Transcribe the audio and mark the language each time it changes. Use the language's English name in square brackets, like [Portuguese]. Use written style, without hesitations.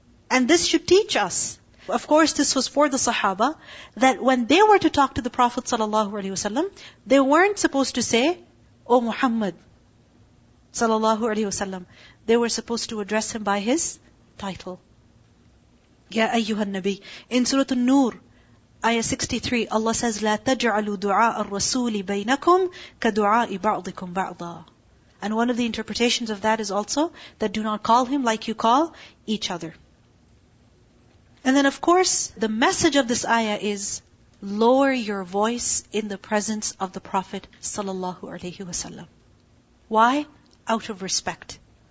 [English] And this should teach us. Of course, this was for the Sahaba, that when they were to talk to the Prophet sallallahu alaihi wasallam, they weren't supposed to say, O Muhammad sallallahu alaihi wasallam. They were supposed to address him by his title. [Arabic] Ya ayyuhan nabi. [English] In Surah An-Nur, ayah 63, Allah says, [Arabic] لا تجعلوا دعاء الرسول بينكم كدعاء بعضكم بعضا. [English] And one of the interpretations of that is also that do not call him like you call each other. And then of course, the message of this ayah is lower your voice in the presence of the Prophet sallallahu alayhi wasallam. Why? Out of respect.